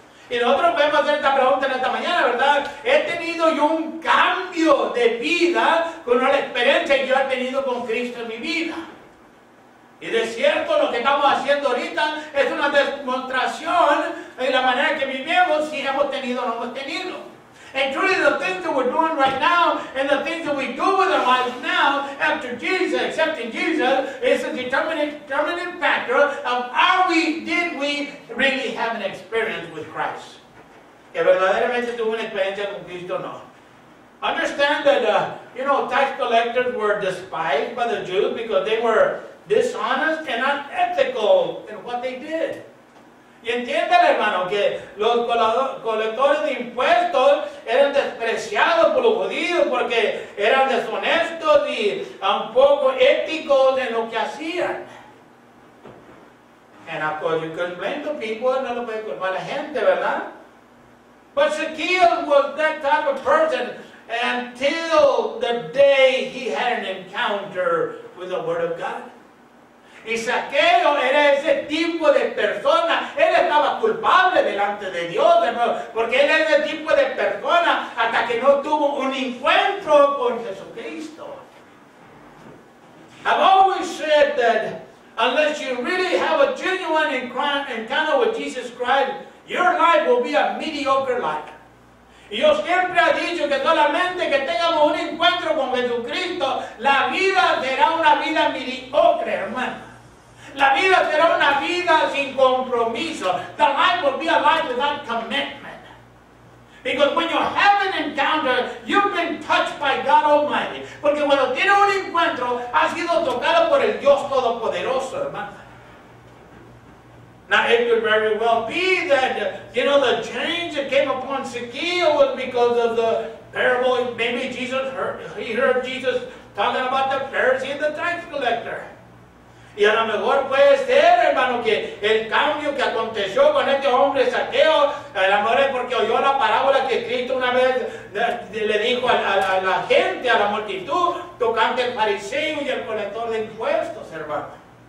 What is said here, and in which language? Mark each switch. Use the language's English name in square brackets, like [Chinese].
[Spanish] Y nosotros podemos hacer esta pregunta esta mañana, ¿verdad? ¿He tenido yo un cambio de vida con la experiencia que yo he tenido con Cristo en mi vida? Y de cierto, lo que estamos haciendo ahorita es una demostración de la manera que vivimos, si hemos tenido o no hemos tenido. [English] And truly, the things that we're doing right now and the things that we do with our lives now after Jesus, accepting Jesus, is a determining factor of did we really have an experience with Christ. [Spanish] ¿Que verdaderamente tuvo una experiencia con Cristo o no? [English] Understand that, you know, tax collectors were despised by the Jews because they were dishonest and unethical in what they did. [Spanish] Y entiende, hermano, que los colectores de impuestos eran despreciados por los judíos porque eran deshonestos y un poco éticos en lo que hacían. [English] And of course, you couldn't blame the people, [Spanish] no lo puede culpar la gente, ¿verdad? [English] But Zacchaeus was that type of person until the day he had an encounter with the Word of God. [Spanish] Y Zaqueo era ese tipo de persona. Él estaba culpable delante de Dios, hermano, porque él era ese tipo de persona hasta que no tuvo un encuentro con Jesucristo. [English] I've always said that unless you really have a genuine encounter with Jesus Christ, your life will be a mediocre life. [Spanish] Y yo siempre he dicho que solamente que tengamos un encuentro con Jesucristo, la vida será una vida mediocre, hermano. La vida será una vida sin compromiso. [English] The life will be a life without commitment. Because when you have an encounter, you've been touched by God Almighty. [Spanish] Porque cuando tienes un encuentro, has sido tocado por el Dios Todopoderoso, hermano. [English] Now, it could very well be that, you know, the change that came upon Zacchaeus was because of the parable. Maybe Jesus heard Jesus talking about the Pharisee and the tax collector. [Spanish] Y a lo mejor puede ser, hermano, que el cambio que aconteció con este hombre Zaqueo, a lo mejor es porque oyó la parábola que Cristo una vez le dijo a la gente, a la multitud, tocante el fariseo y el colector de impuestos, hermano.